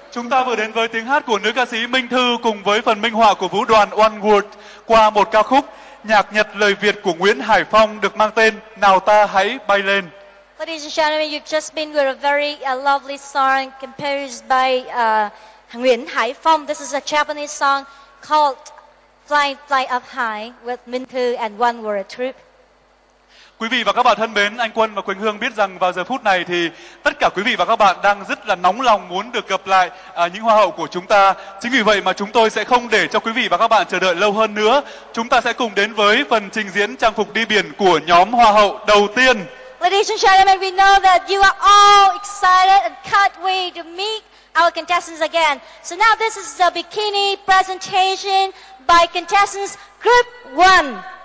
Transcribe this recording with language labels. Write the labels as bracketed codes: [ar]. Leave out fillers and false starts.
[vi] ta vừa đến với tiếng hát của nữ ca sĩ Minh Thư cùng với phần minh họa của vũ đoàn One Word qua một ca khúc nhạc Nhật lời Việt của Nguyễn Hải Phong được mang tên Nào Ta Hãy Bay Lên. [en] Ladies and gentlemen, you've just been with a very lovely song composed by Nguyễn Hải Phong. This is a Japanese song called Fly Up High with Minh Thư and One Word Troupe. [vi] Quý vị và các bạn thân mến, anh Quân và Quỳnh Hương biết rằng vào giờ phút này thì tất cả quý vị và các bạn đang rất là nóng lòng muốn được gặp lại những hoa hậu của chúng ta. Chính vì vậy mà chúng tôi sẽ không để cho quý vị và các bạn chờ đợi lâu hơn nữa. Chúng ta sẽ cùng đến với phần trình diễn trang phục đi biển của nhóm hoa hậu đầu tiên. [en] Ladies and gentlemen, we know that you are all excited and can't wait to meet our contestants again. So now this is the bikini presentation by contestants group 1.